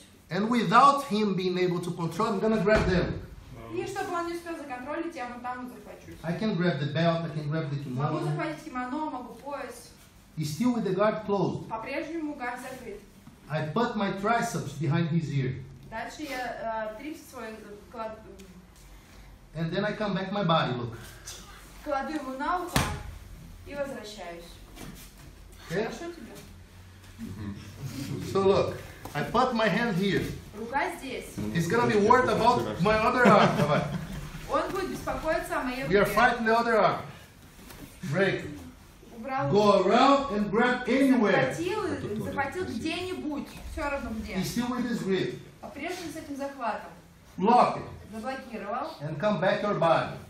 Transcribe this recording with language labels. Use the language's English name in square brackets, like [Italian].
[English] And without him being able to control, I'm gonna grab them. [Russian] И чтобы он не успел законтролить, я вот там захвачусь. [English] I can grab the belt, I can grab the kimono. [Russian] Могу захватить кимоно, могу пояс. [English] He's still with the guard closed. [Russian] По-прежнему гард закрыт. [English] I put my triceps behind his ear. [Russian] Дальше я трицепс свой кладу. [English] And then I come back my body, look. [Russian] Кладу ему на ухо и возвращаюсь. Okay. Хорошо тебе? Mm-hmm. [English] So look. I put my hand here. [Russian] Рука здесь. [English] He's gonna be worried about my other arm. [Russian] Он будет беспокоиться о моей руке. [English] We are fighting the other arm. Break. [Russian] Убрал. [English] Go around and grab anywhere. [Russian] Захватил где-нибудь. Все равно где. [English] He's still with his grip. [Russian] По-прежнему с этим захватом. [English] Lock it. [Russian] Заблокировал. [English] And come back your body.